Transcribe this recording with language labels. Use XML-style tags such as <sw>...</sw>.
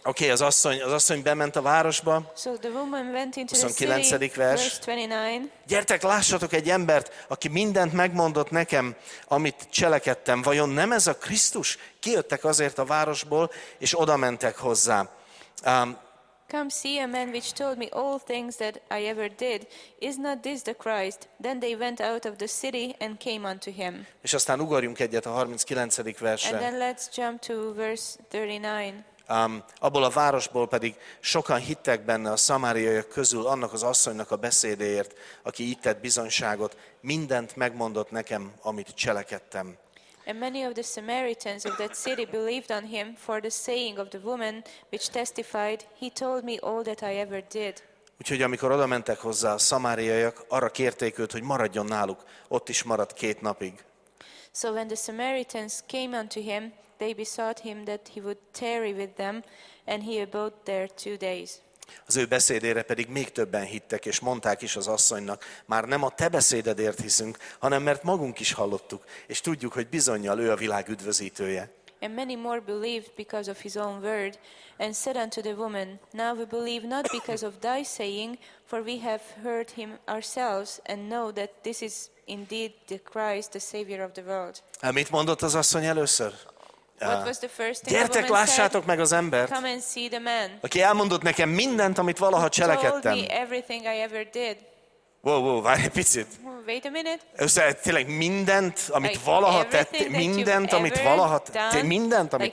<hu>Okay, az asszony bement a városba,</hu> <en>so the woman went into</en> <hu>29. vers. Gyertek, lássatok egy embert, aki mindent megmondott nekem, amit cselekedtem. Vajon nem ez a Krisztus? Kijöttek azért a városból, és oda mentek hozzá.</hu> <en>Come see a man which told me all things that I ever did. Is not this the Christ? Then they went out of the city and came unto him.</en> <hu>És aztán ugorjunk egyet a 39. versre.</hu> <en>And then let's jump to verse 39.</en> <hu>Abból a városból pedig sokan hittek benne a szamáriaiak közül annak az asszonynak a beszédéért, aki itt tett bizonyságot, mindent megmondott nekem, amit cselekedtem.</hu> <en>And many of the Samaritans of that city believed on him for the saying of the woman which testified, he told me all that I ever did.</en> <hu>Úgyhogy amikor oda mentek hozzá a szamáriaiak, arra kérték őt, hogy maradjon náluk, ott is maradt két napig.</hu> <en>So when the Samaritans came unto him, they besought him that he would tarry with them, and he abode there 2 days.</en> <hu>Az ő beszédére pedig még többen hittek, és mondták is az asszonynak, már nem a te beszédedért hiszünk, hanem mert magunk is hallottuk, és tudjuk, hogy bizonnyal ő a világ üdvözítője.</hu> <en>And many more believed because of his own word, and said unto the woman, now we believe not because of thy saying, for we have heard him ourselves, and know that this is indeed the Christ, the Savior of the world.</en> <hu>Mit mondott az asszony először?</hu> <en>What was the first thing</en> <hu>gyertek, lássátok meg az embert,</hu> <en>come and see the man.</en> <hu>Aki elmondott nekem mindent, amit valaha cselekedtem.</hu> <en>Told me everything I ever did.</en> <hu>Whoa, várj egy picit.</hu> <en>Wait a minute.</en> <hu>Tényleg mindent, amit like valaha tettél, mindent, amit valaha tettél, mindent, amit</hu>